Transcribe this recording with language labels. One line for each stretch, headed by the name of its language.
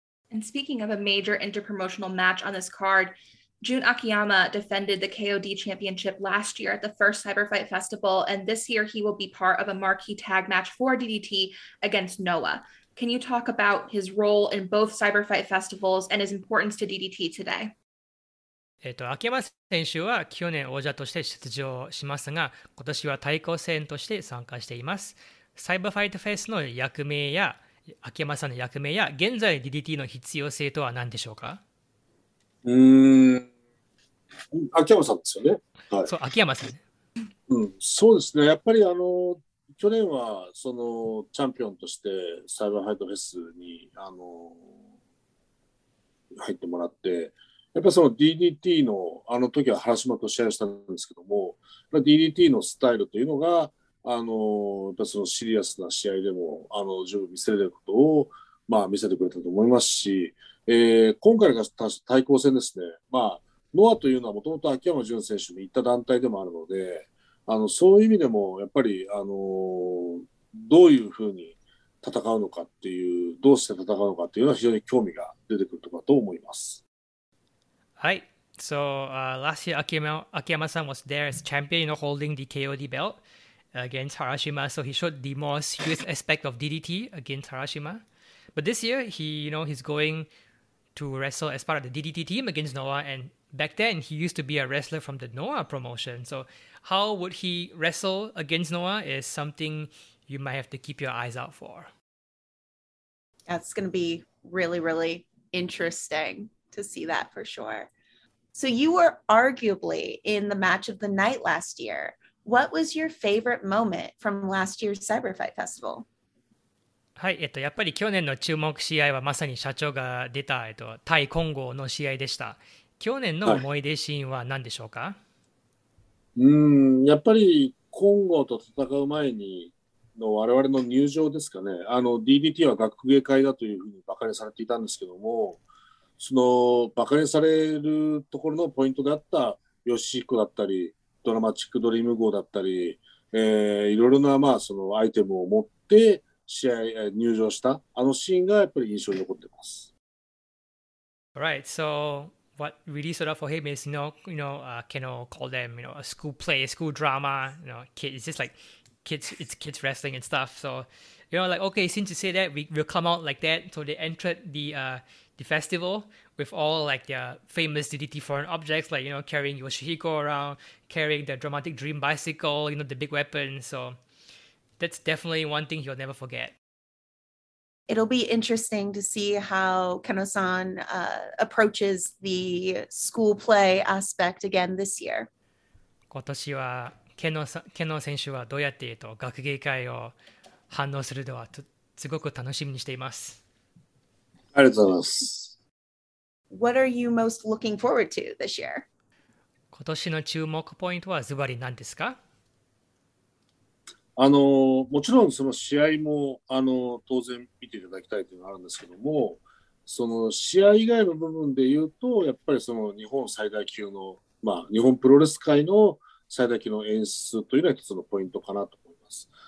English: And speaking of a major interpromotional match on this card, Jun Akiyama defended the KOD championship last year at the first Cyber Fight Festival. And this year he will be part of a marquee tag match for DDT against Noa. Can you talk about his role in both Cyber Fight Festivals and his importance to DDT today?
Japanese: 秋山選手は去年王者として出場しますが、今年は対抗戦として参加しています。サイバーファイトフェスの役名や秋山さんの役名や現在 DDT の必要性とは何でしょうか？秋山さんですよね。はい、そう、秋山さん。うん、そうですね。やっぱり去年はそのチャンピオンとしてサイバーファイトフェスに入ってもらって、やっぱその DDT のあの時は原島と試合したんですけども、DDT のスタイルというのがやっぱそのシリアスな試合でも十分見せれることをまあ見せてくれたと思いますし、今回が対抗戦ですね。まあノアというのはもともと秋山純選手に行った団体でもあるので。そういう意味でもやっぱりどういうふうに戦うのかっていう、どうして戦うのかっていうのは非常に興味が出てくるとかと思います。はい。
English: So, last year, Akiyama-san was there as champion, holding the KOD belt against Harashima. So he showed the more serious aspect of DDT against Harashima. But this year, he's going to wrestle as part of the DDT team against Noah. And back then, he used to be a wrestler from the Noah promotion. So,How would he wrestle against Noah is something you might have to keep your eyes out for. That's going to be really, really interesting to see that for sure. So you were arguably in the match of the night last year. What was your favorite moment from last year's Cyber Fight Festival?
Japanese: はい、やっぱり去年の注目試合はまさに社長が出た、対金剛の試合でした。去年の思い出シーンは何でしょうか？やっぱり金剛と戦う前にの我々の入場ですかね。DDT は学芸会だというふうにばかりされていたんですけども、そのバカにされるところのポイントであったヨシヒコだったりドラマチックドリーム号だったり、いろいろなまあそのアイテムを持って試合入場したあのシーンがやっぱり印象に残ってます。
English: Alright, so what really stood out for him is Keno called them a school play, school drama, kids. It's just like kids, it's kids wrestling and stuff. So like okay, since you say that, we'll come out like that. So they entered the festival with all like their famous DDT foreign objects, like carrying Yoshihiko around, carrying the dramatic dream bicycle, the big weapon. So that's definitely one thing he'll never forget. It'll be interesting to see how Keno-san approaches the school play aspect again this year.
Japanese: 今年はKeno選手はどうやって学芸会を反応するのはすごく楽しみにしています。ありがとうございます。
English: What are you most looking forward to this year?
Japanese: 今年の注目ポイントはズバリ何ですか？もちろんその試合も当然見ていただきたいというのがあるんですけども、その試合以外の部分で言うと、やっぱりその日本最大級の、まあ、日本プロレス界の最大級の演出というのは一つのポイントかなと思います。